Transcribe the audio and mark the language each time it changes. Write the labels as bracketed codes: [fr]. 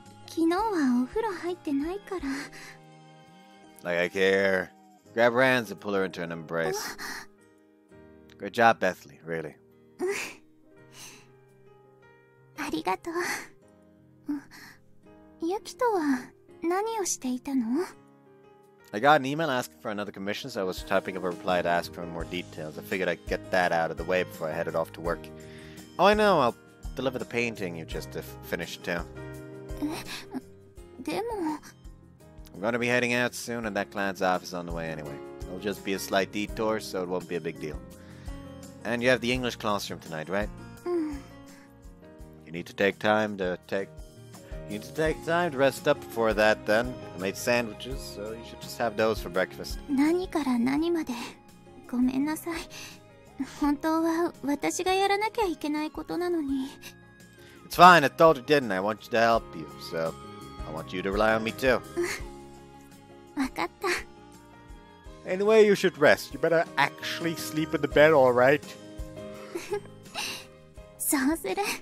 [ja] 昨日はお風呂入ってないから。 [en] Like I care. Grab her hands and pull her into an embrace. Good job, Bethly, really. [ja] ありがとう。ユキとは何をしていたの? [en] I got an email asking for another commission, so I was typing up a reply to ask for more details. I figured I'd get that out of the way before I headed off to work. Oh, I know, I'll deliver the painting you just finished too. [ja] でも… [en] I'm gonna be heading out soon, and that client's office is on the way anyway. It'll just be a slight detour, so it won't be a big deal. And you have the English classroom tonight, right? You need to take time to rest up before that, then. I made sandwiches, so you should just have those for breakfast. [ja] 何から何まで、ごめんなさい。本当は私がやらなきゃいけないことなのに。 [en] It's fine, I told you didn't. I want you to help you, so I want you to rely on me too. [ja] Wakatta. [en] Anyway, you should rest. You better actually sleep in the bed, alright? [ja] So suru.